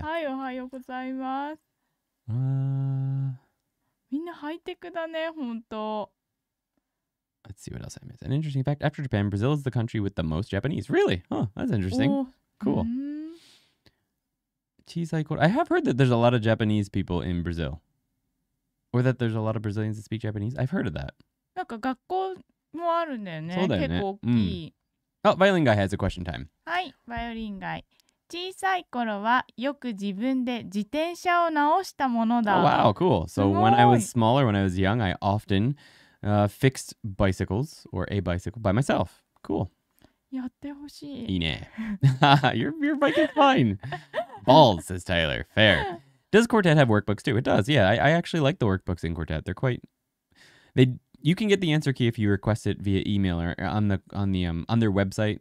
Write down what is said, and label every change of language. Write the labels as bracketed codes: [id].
[ja] はい、おはようございます。みんなハイテクだね、本当。 [en] Let's see what else I missed. An interesting fact. After Japan, Brazil is the country with the most Japanese. Really? Huh, that's interesting. Cool. [ja] 小さい頃。 [en] I have heard that there's a lot of Japanese people in Brazil. Or that there's a lot of Brazilians that speak Japanese. I've heard of that. [ja] なんか学校…もあるんだよね。そうだよね。結構大きい。 [en] あ、バイオリンガイ has a question time。 [ja] はい、バイオリンガイ。小さい頃はよく自分で自転車を直したものだ。 [en] Oh, wow, cool. So when I was smaller, when I was young, I often, fixed bicycles or a bicycle by myself. Cool. [ja] やってほしい。 [en] いいね。your bike is fine. Balls, says Tyler. Fair. Does Quartet have workbooks too? It does. Yeah, I actually like the workbooks in Quartet. They're quite... You can get the answer key if you request it via email or on their website.